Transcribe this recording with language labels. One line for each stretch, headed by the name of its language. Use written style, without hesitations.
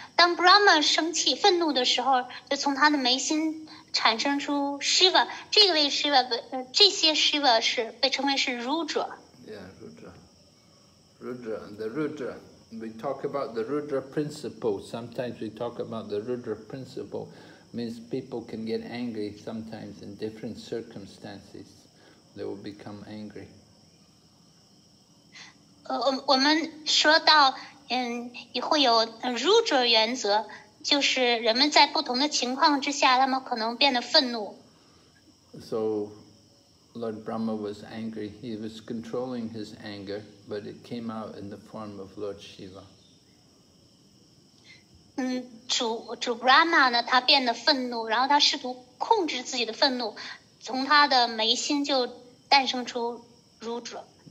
Chinese: 当 Brahma 生气愤怒的时候，就从他的眉心产生出 Shiva, 这位 Shiva, 这些 Shiva 是被称为是 Rudra.
English: Yeah, Rudra. Rudra, the Rudra. We talk about the Rudra principle. Sometimes we talk about the Rudra principle. Means people can get angry sometimes in different circumstances. They will become angry.
Chinese: 我们说到，也会有 Rudra 原则，就是人们在不同的情况之下，他们可能变得愤怒。
English: So, Lord Brahma was angry. He was controlling his anger, but it came out in the form of Lord Shiva.
Chinese: 主 Brahma 呢，他变得愤怒，然后他试图控制自己的愤怒，从他的眉心就诞生出 Rudra.